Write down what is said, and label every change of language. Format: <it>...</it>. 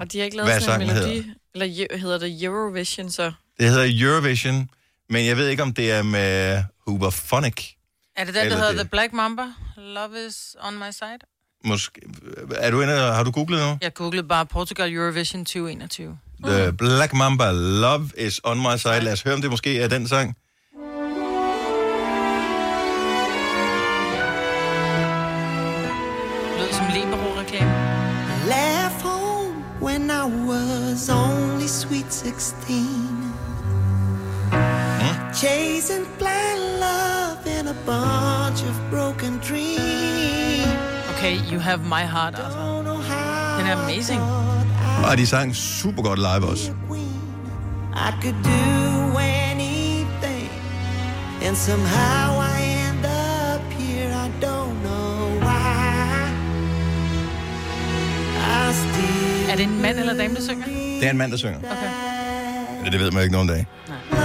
<da>Og de har ikke lavet sådan en melodi, eller hedder det Eurovision, så? Det hedder Eurovision, men jeg ved ikke, om det er med Hooverphonic. Er det den, der hedder det? The Black Mamba?</da> <en>Love is on my side?</en> <da>Måske. Er du inde, har du googlet nu? Jeg googlede bare Portugal Eurovision 2021.</da> <en>The Black Mamba, Love is on my side.</en> <da>Lad os høre, om det måske er den sang. Lød som Libero-reklame.</da> <en>Left home when I was only sweet 16. Chasing blind love in a bunch of broken dreams. Okay, you have my heart, Arthur.</en> <da>Den er amazing. Og de sang super godt live også.</da> <en>I could do anything. And somehow I end up here, I don't know why. I still.</en> <da>Er det en mand eller dame, der synger? Det er en mand, der synger. Okay. Ja, det ved man jo ikke nogen dag. Nej.</da>